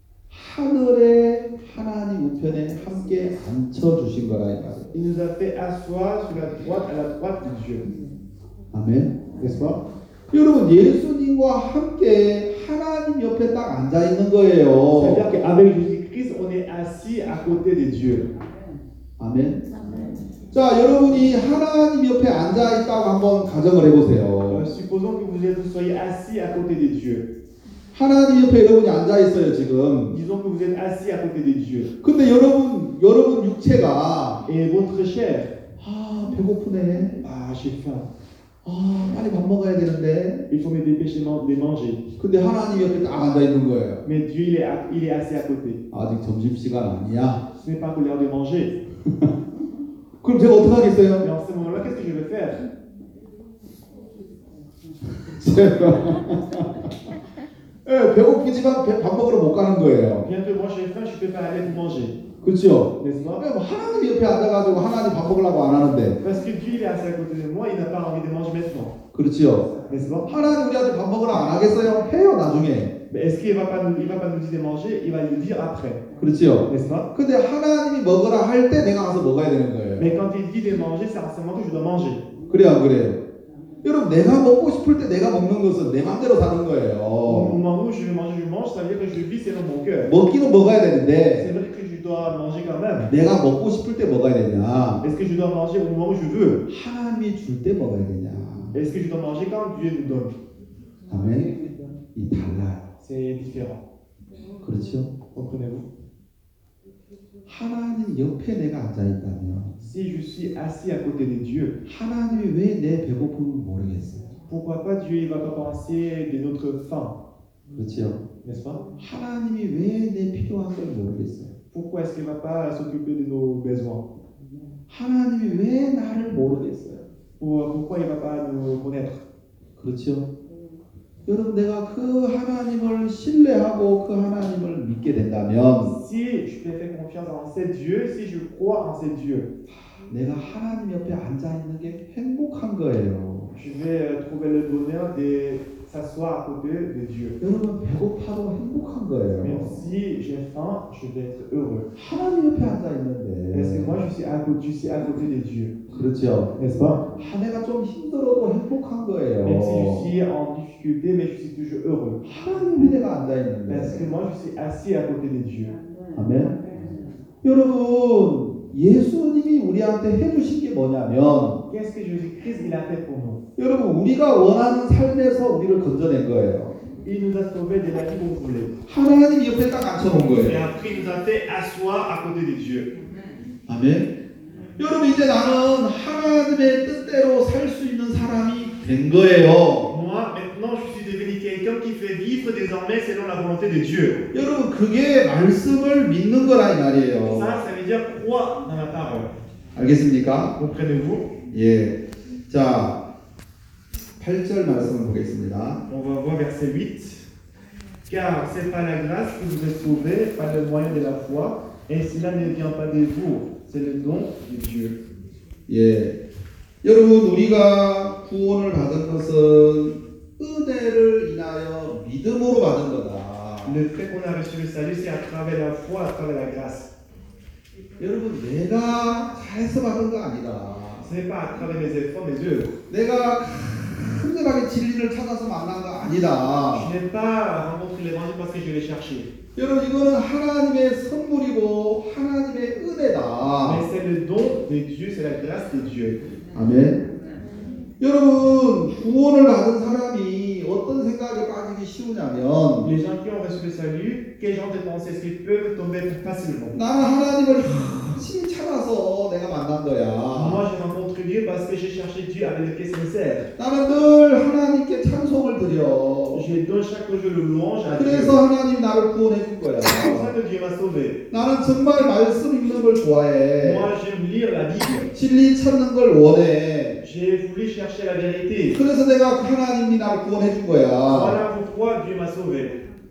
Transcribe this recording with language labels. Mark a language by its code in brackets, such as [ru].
[ko] 하늘에 하나님 우편에 함께 앉혀 주신 거라 이 말. [fr] Il nous a fait asseoir sur la droite à la droite de Dieu. [ko] 아멘. 됐어? 여러분 예수님과 함께 하나님 옆에 딱 앉아 있는 거예요. [fr] C'est-à-dire qu'avec Jésus-Christ, on est assis à côté de Dieu. [ko] 아멘. 자, 여러분이 하나님 옆에 앉아 있다고 한번 가정을 해 보세요. [fr] Supposons que vous êtes assis à côté de Dieu. [ko] 하나님 옆에 여러분이 앉아 있어요 지금. [fr] Disons que vous êtes assis à côté de Dieu. [ko] 근데 여러분 육체가 [fr] Et votre chair. [ko] 아 배고프네. [fr] Ah, j'ai faim. [ko] 빨리 밥 먹어야 되는데. [fr] Il faut me dépêcher de manger. [ko] 근데 하나님 옆에 딱 앉아 있는 거예요. [fr] Mais Dieu il est assis à côté. [ko] 아직 점심 시간 아니야. [fr] Ce n'est pas l'heure de manger. [ko] 그럼 제가 어떻게 하겠어요? [fr] Mais en ce moment-là, qu'est-ce que je vais faire? [ko] 예, 네, 배고프지만 밥 먹으러 못 가는 거예요. [fr] Bien que moi j'ai faim, je peux pas aller manger. [ko] 그렇죠. [fr] N'est-ce pas? [ko] 네, 뭐 하나님 옆에 앉아가지고 하나님 밥 먹으려고 안 하는데. [fr] Parce que Dieu est assis à côté de moi, il n'a pas envie de manger maintenant. [ko] 그렇죠. [fr] N'est-ce pas? [ko] 하나님 우리한테 밥 먹으러 안 하겠어요? 해요 나중에. [fr] Mais est-ce qu'il va pas nous, il va pas nous dire de manger, il va nous dire après. [ko] 그렇죠. [fr] N'est-ce pas? [ko] 근데 하나님이 먹으라 할 때 내가 가서 먹어야 되는 거예요. [fr] Mais quand il dit de manger, c'est à ce moment que je dois manger. [ko] 그래요, 그래요. 여러분 내가 먹고 싶을 때 내가 먹는 것은 내 마음대로 사는 거예요. [fr] Moi je mange, je mange, ça veut dire que je vis selon mon cœur. [ko] 먹기는 먹어야 되는데. [fr] C'est vrai que je dois manger quand même. [ko] 내가 먹고 싶을 때 먹어야 되냐? [fr] Est-ce que je dois manger au moment où je veux? [ko] 하나님이 줄 때 먹어야 되냐? [fr] Est-ce que je dois manger quand Dieu nous donne? [ko] 아멘. 이 달라. [fr] C'est différent. [ko] 그렇죠? [fr] Comprenez-vous? [ko] 하나님 옆에 내가 앉아 있다면. [fr] Si je suis assis à côté de Dieu, [ko] 하나님 왜 내 배고픔을 모르겠어요? [fr] Pourquoi pas Dieu il va pas penser de notre faim? [ko] 그렇죠. [fr] N'est-ce pas? [ko] 하나님이 왜 내 필요한 걸 모르겠어요? [fr] Pourquoi est-ce qu'il va pas s'occuper de nos besoins? [ko] 하나님이 왜 나를 모르겠어요? [fr] Pourquoi il va pas nous connaître? [ko] 그렇죠. 여러분 내가 그 하나님을 신뢰하고 그 하나님을 믿게 된다면 [fr] si je fais confiance en ce Dieu, si je crois en ce Dieu, [ko] 내가 하나님 옆에 앉아 있는 게 행복한 거예요. [fr] Je vais trouver le bonheur de s'asseoir à côté de Dieu. [ko] 여러분 배고파도 행복한 거예요. [fr] Mais si j'ai faim, je vais être heureux. [ko] 하나님 옆에 앉아 있는데. [fr] Parce que moi je suis à côté de Dieu. [ko] 그렇죠. [fr] N'est-ce pas? [ko] 내가 좀 힘들어도 행복한 거예요. [fr] Même si je suis en difficulté, mais je suis toujours heureux. [ko] 하나님 옆에 내가 앉아 있는데. [fr] Parce que moi je suis assis à côté de Dieu. [ko] 아멘. 여러분 예수님이 우리한테 해주신 게 뭐냐면. [fr] Qu'est-ce que Jésus Christ il a fait pour nous? [ko] 여러분 우리가 원하는 삶에서 우리를 건져낸 거예요. [fr] Il nous a sauvé de la vie qu'on voulait. [ko] 하나님 옆에 딱 앉혀놓은 거예요. [fr] Et après il nous a fait asseoir à côté de Dieu. [ko] 아멘. 여러분 이제 나는 하나님의 뜻대로 살 수 있는 사람이 된 거예요. [fr] Moi maintenant je suis devenu quelqu'un qui fait vivre désormais selon la volonté de Dieu. [ko] 여러분 그게 말씀을 믿는 거라 이 말이에요. [fr] Ça, ça veut dire croire dans la parole. [ko] 알겠습니까? [fr] Comprenez-vous? [ko] 예. 자. 8절 말씀을 보겠습니다. [fr] On va voir verset 8. Car c'est par la grâce que vous êtes sauvés par le moyen de la foi et cela ne vient pas de vous. C'est le don de Dieu. [ko] 예. 여러분 우리가 구원을 받은 것은 은혜를 인하여 믿음으로 받은 거다. [fr] Le fait qu'on a reçu le salut c'est à travers la foi, à travers la grâce. [ko] 여러분 내가 잘해서 받은 거 아니다. [fr] C'est pas à travers mes efforts, mes œuvres. [ko] 내가 큰절하게 진리를 찾아서 만난 거 아니다. [fr] Je n'ai pas rencontré l'évangile parce que je l'ai cherché. [ko] 여러분 이거는 하나님의 선물이고 하나님의 은혜다. [fr] Mais c'est le don de Dieu, c'est la grâce de Dieu. [ko] 아멘. 여러분 구원을 받은 사람이 어떤 생각에 빠지기 쉬우냐면 [fr] Les gens qui ont reçu le salut, quel genre de pensée est-ce qu'ils peuvent tomber facilement? [ko] 나는 하나님을 심히 찾아서 내가 만난 거야. [fr] Moi j'ai rencontré Dieu parce que j'ai cherché Dieu avec le cœur sincère. [ko] 나는 늘 하나님께 찬송을 드려. [fr] Je donne chaque jour le louange à Dieu. [ko] 그래서 하나님 나를 구원해 줄 거야. [fr] C'est pour ça que Dieu m'a sauvé. [ko] 나는 정말 말씀 읽는 걸 좋아해. [fr] Moi j'aime lire la Bible. [ko] 진리 찾는 걸 원해. [fr] J'ai voulu chercher la vérité. [ko] 그래서 내가 하나님이 나를 구원해 준 거야. [fr] Voilà pourquoi Dieu m'a sauvé.